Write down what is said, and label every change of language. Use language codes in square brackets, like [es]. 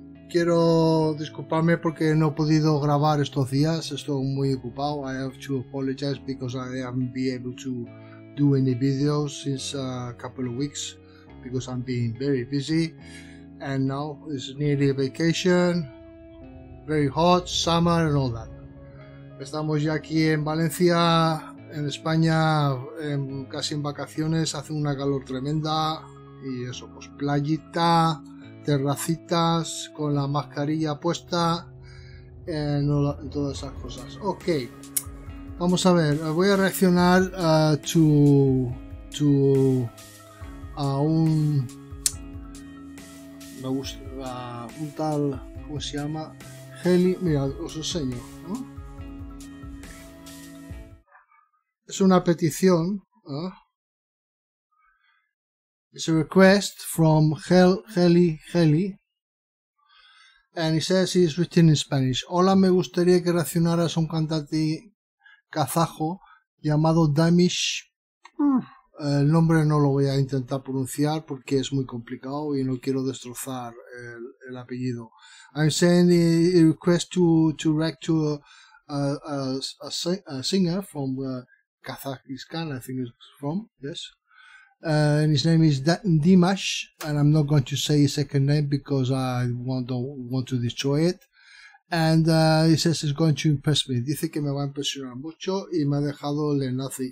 [es] Quiero disculparme porque no he podido grabar estos días. Estoy muy ocupado. [en] I have to apologize because I haven't been able to do any videos since a couple of weeks because I'm being very busy. And now it's nearly a vacation. Very hot, summer and all that. [es] Estamos ya aquí en Valencia, en España, casi en vacaciones, hace una calor tremenda y eso, pues playita, terracitas, con la mascarilla puesta, en todas esas cosas. Ok, vamos a ver, voy a reaccionar un tal, ¿cómo se llama? Heli, mira, os enseño, ¿no? Es una petición, ¿no? [en] It's a request from Heli, and he says it's written in Spanish. [es] Hola, me gustaría que reaccionaras a un cantante kazajo llamado Damish. El nombre no lo voy a intentar pronunciar porque es muy complicado y no quiero destrozar el apellido. [en] I'm saying the request to react to a singer from Kazakhstan, I think it's from, yes. And his name is Dimash, and I'm not going to say his second name because I don't want to destroy it. And he says it's going to impress me. [es] Dice que me va a impresionar mucho y me ha dejado el enlace.